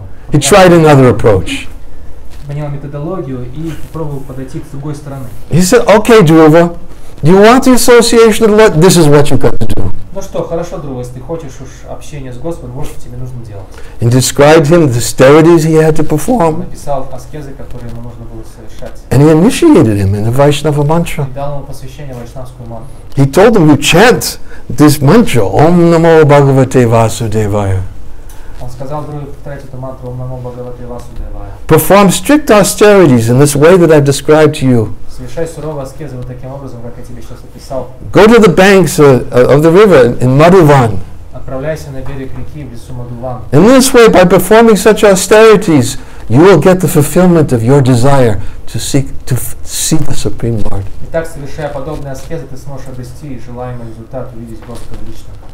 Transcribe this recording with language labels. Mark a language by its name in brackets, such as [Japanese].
[English] He tried another approach. He said, okay, Dhruva, you want the association of the Lord? This is what you've got to do. [Russian] Ну что, хорошо, друг, если ты хочешь уж общение с Господом, вот что тебе нужно делать. [English] And described him the austerities he had to perform. [Russian] Написал аскезы, которые ему нужно было совершать. [English] And he initiated him in the Vaishnava mantra. [Russian] И дал ему посвящение Вайшнавскую мантру. [English] He told him, you chant this mantra, [Sanskrit] Om Namo Bhagavate Vasudevaya. [Russian] Он сказал, друг, повторяй эту мантру, [Sanskrit] Om Namo Bhagavate Vasudevaya. [English] Perform strict austerities in this way that I've described to you. [Russian] Совершай суровые аскезы вот таким образом, как я тебе сейчас описал. [English] Go to the banks of the river in Madhuvan. [Russian] Отправляйся на берег реки в лесу Мадхуван. [English] In this way, by performing such austerities, you will get the fulfillment of your desire to seek to see the Supreme Lord. [Russian] Итак, совершая подобные аскезы, ты сможешь обрести желаемый результат, увидеть Господа лично.